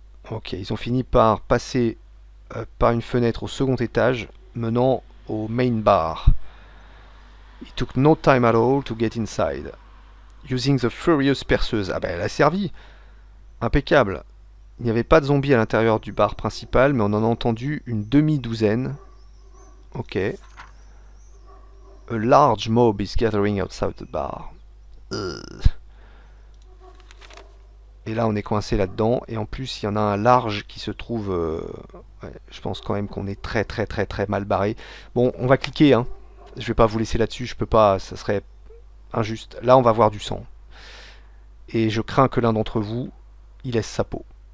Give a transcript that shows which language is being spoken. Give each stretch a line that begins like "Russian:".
French: Ok, ils ont fini par passer par une fenêtre au second étage, menant au main bar.
English: It took no time at all to get inside. Using the Furious Perceuse.
French: Ah ben elle a servi. Impeccable. Il n'y avait pas de zombies à l'intérieur du bar principal, mais on en a entendu une demi-douzaine. Ok.
English: A large mob is gathering outside the bar.
French: Et là on est coincé là-dedans. Et en plus il y en a un large qui se trouve. Ouais, je pense quand même qu'on est très très très très mal barré. Bon, on va cliquer, hein. Je vais pas vous laisser là-dessus, je peux pas. Ça serait. Injuste. Là, on va voir du sang. Et je crains que l'un d'entre vous y laisse sa peau.